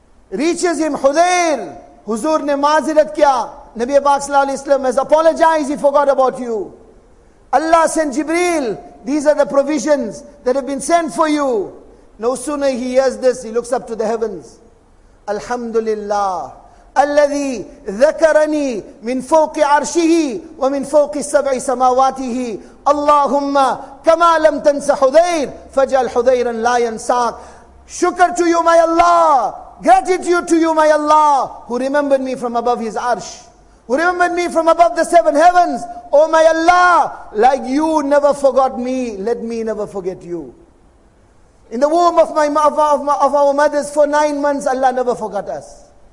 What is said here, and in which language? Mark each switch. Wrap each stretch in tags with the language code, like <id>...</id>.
<en>Reaches him, Hudayr.</en> <ur>Huzur ne maazirat kya?</ur> <en>Nabi Pak Sallallahu Alaihi Wasallam has apologized, he forgot about you. Allah sent Jibreel, these are the provisions that have been sent for you. No sooner he hears this, he looks up to the heavens. Alhamdulillah.</en> <ar>الذي ذكرني من فوق عرشه ومن فوق السبع سماواته اللهم كما لم تنس حذير فجعل حذيرا لا ينساك.</ar> <en>Shukr to you my Allah, gratitude to you my Allah, who remembered me from above his arsh, who remembered me from above the seven heavens. Oh my Allah, like you never forgot me, let me never forget you. In the womb of our mothers for 9 months, Allah never forgot us.</en>